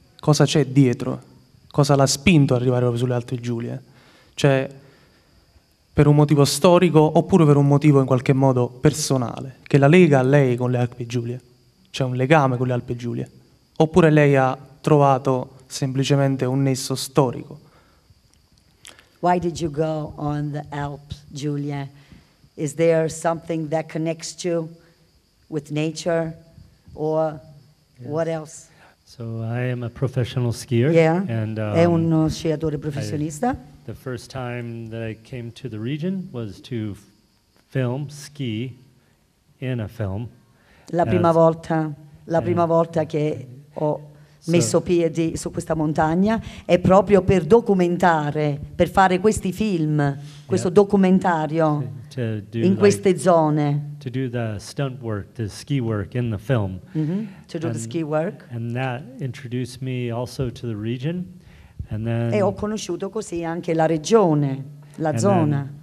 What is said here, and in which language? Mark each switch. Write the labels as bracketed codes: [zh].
[it] Cosa c'è dietro? Cosa l'ha spinto ad arrivare proprio sulle Alpi Giulie? Cioè, per un motivo storico oppure per un motivo in qualche modo personale? Che la lega a lei con le Alpi Giulie? C'è un legame con le Alpi Giulie? Oppure lei ha trovato semplicemente un nesso storico? [en] Why did you go on the Alps, Giulia? Is there something that connects you with nature? Or yes. What else? So I am a professional skier. Yeah. And [it] è uno sciatore professionista. [en] The first time that I came to the region was to film ski in a film. [it] La prima volta che ho messo piedi su questa montagna è proprio per documentare, per fare questi film, questo documentario in queste zone. [en] To do the stunt work, the ski work in the film. To do the ski work. And that introduced me also to the region. And then, [it] e ho conosciuto così anche la regione, la zona.